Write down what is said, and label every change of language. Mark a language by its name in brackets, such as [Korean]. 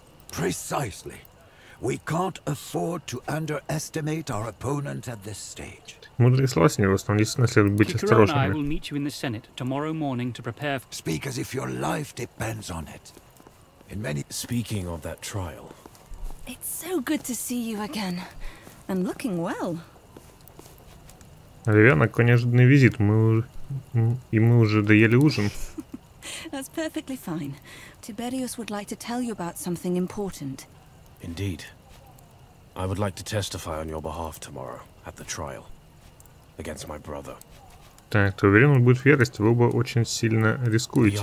[English] Precisely. We can't afford to underestimate our opponent at this stage. [Russian] Мудрые слова, сеньор, но действительно следует быть осторожными. [English] I will meet you in the Senate tomorrow morning to prepare. Speak as if your life depends on it. In many speaking of that trial. It's so good to see you again. And looking well. [Russian] Ребенок, какой неожиданный визит. Мы уже доели ужин. [English] That's perfectly fine. Tiberius would like to tell you about something important. Indeed. I would like to testify on your behalf tomorrow at the trial against my brother. [Russian] Так, ты уверен, он будет в ярости? Вы оба очень сильно рискуете.